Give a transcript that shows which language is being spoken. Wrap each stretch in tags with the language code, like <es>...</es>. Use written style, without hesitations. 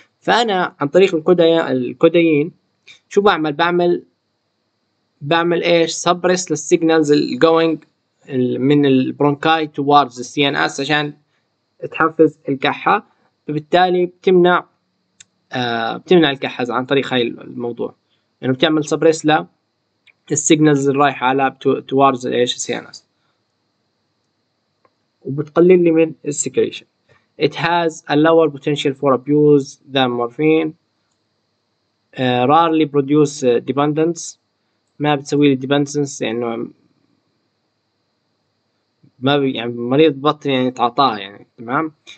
<ar>فانا عن طريق الكودين شو بعمل؟ بعمل ايش؟ سبرس للسيجنالز الجوينج من البرونكاي توارز السي ان اس عشان تحفز الكحه، فبالتالي بتمنع الكحه عن طريق هاي الموضوع، انه يعني بتعمل سبرس للسيجنالز الرايحه على توارز ايش؟ السي ان اس، وبتقلل لي من السكريشن.</ar> <en>It has a lower potential for abuse than morphine. Rarely produce dependence.</en> <ar>ما بتسوي لي dependence، يعني ما يعني مريض بطني يعني تعطاه يعني. تمام.</ar>